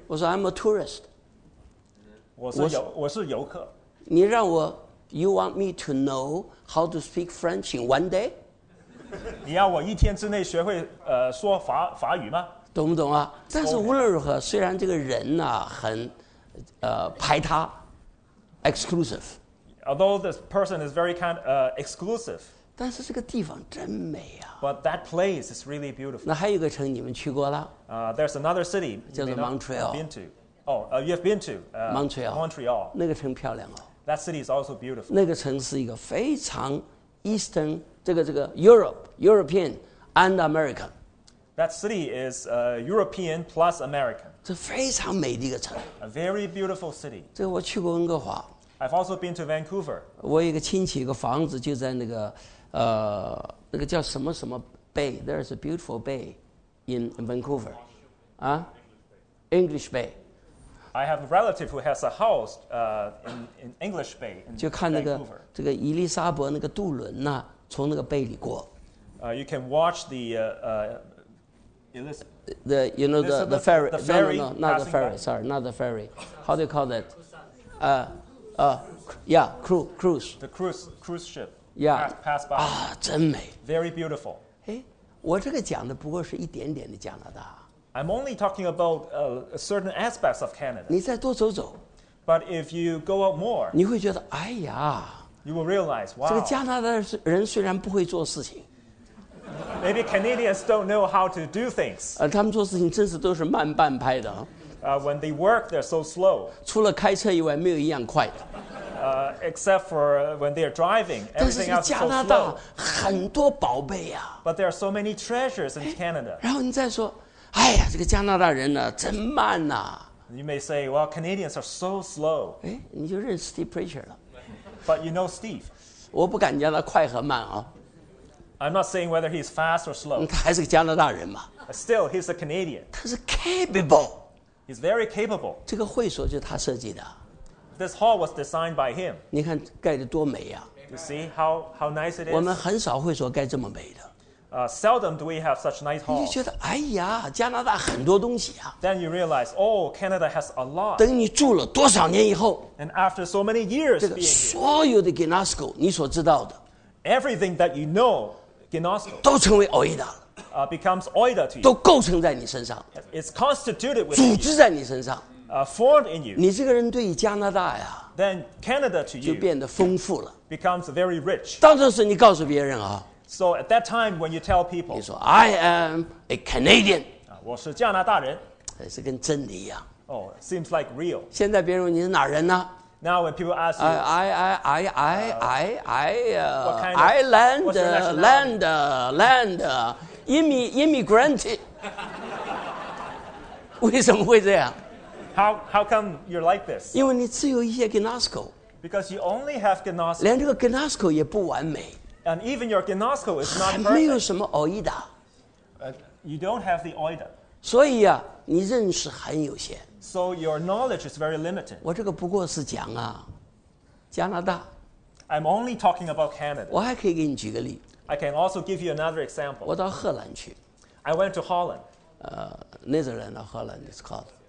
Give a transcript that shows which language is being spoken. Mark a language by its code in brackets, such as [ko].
[zh] 我说 [en] I'm a tourist [zh] 我是游客你让我 [en] You want me to know how to speak French in one day? [zh] 你要我一天之内学会说 法语吗懂不懂啊但是无论如何虽然这个人啊很排他 exclusive [en] Although this person is very kind exclusive [zh] 但是这个地方真美啊 [en] But that place is really beautiful. [zh] 那还有一个城你们去过了 [en] There's another city [zh] 叫做 Montreal. [en] Been to. You've been to Montreal. Montreal. [zh] 那个城漂亮哦 [en] That city is also beautiful. [zh] 那个城是一个非常 Eastern 这个 Europe, [en] European and American. That city is European plus American. [zh] 这非常美的一个城 [en] A very beautiful city. [zh] 这个我去过温哥华。 [en] I've also been to Vancouver. [zh] 我有一个亲戚，一个房子就在那个，那个叫什么什么 Bay. [en] There is a beautiful bay in Vancouver. English Bay. I have a relative who has a house in English Bay. In [zh] 就看那个这个伊丽莎伯那个渡轮呐、啊，从那个 Bay 里过。 [en] You can watch the ferry. Not the ferry. How do you call that? Cruise. The cruise ship. Yeah. Pass by. [zh] 啊，真美。 [en] Very beautiful. [zh] 哎，我这个讲的不过是一点点的加拿大。 [en] I'm only talking about certain aspects of Canada. [zh] 你再多走走。 [en] But if you go out more, [zh] 你会觉得哎呀。 [en] You will realize, wow. [zh] 这个加拿大人虽然不会做事情。 [en] Maybe Canadians don't know how to do things. [zh] 他们做事情真是都是慢半拍的。 [en] When they work, they're so slow. [zh] 除了开车以外没有一样快的。 [en] Except for when they are driving, everything else is so slow. [zh] 加拿大很多宝贝啊。 [en] But there are so many treasures in Canada. [zh] 然后你再说，哎呀，这个加拿大人呢，真慢呐。 [en] You may say, well, Canadians are so slow. [zh] 哎，你就认识 Steve Preacher 了。 [en] But you know Steve. [zh] 我不敢讲他快和慢啊。 [en] I'm not saying whether he's fast or slow. [zh] 他还是个加拿大人嘛。 [en] Still, he's a Canadian. [zh] 他是 capable. [en] He's very capable. [zh] 这个会所就是他设计的。 [en] This hall was designed by him. [zh] 你看盖得多美啊。 [en] You see how nice it is? [zh] 我们很少会所盖这么美的。 [en] Seldom do we have such nice halls. [zh] 你就觉得哎呀，加拿大很多东西啊。 [en] Then you realize, oh, Canada has a lot. [zh] 等你住了多少年以后。 [en] And after so many years being here. [zh] 所有的 Ginosco, 你所知道的。 [en] Everything that you know, Ginosco. [zh] 都成为 OIDA 了。 [en] Becomes OIDA to you. [zh] 都构成在你身上。 [en] It's constituted with [zh] you. 组织在你身上。 [en] Formed in you. [zh] 你这个人对于加拿大呀。 [en] Then Canada to you. [zh] 就变得丰富了。 [en] Becomes very rich. [zh] 当这时你告诉别人啊。 [en] So at that time when you tell people, [zh] 你说 [en] I am a Canadian. [zh] 我是加拿大人。是跟真理一样。 [en] Oh, seems like real. [zh] 现在别人问你是哪人呢？ [en] Now when people ask you, I land immigrant. [zh] 为什么会这样？ [en] How come you're like this? [zh] 因为你只有一些 Ginosco. [en] Because you only have Ginosco. [zh] 连这个 Ginosco 也不完美。 [en] And even your Ginosco is not perfect. [zh] 没有什么 OIDA. [en] You don't have the OIDA. [zh] 所以啊，你认识很有限。 [en] So your knowledge is very limited. [zh] 我这个不过是讲啊，加拿大。 [en] I'm only talking about Canada. [zh] 我还可以给你举个例。 [en] I can also give you another example. [zh] 我到荷兰去。 [en] I went to Holland. Netherlands or Holland is called.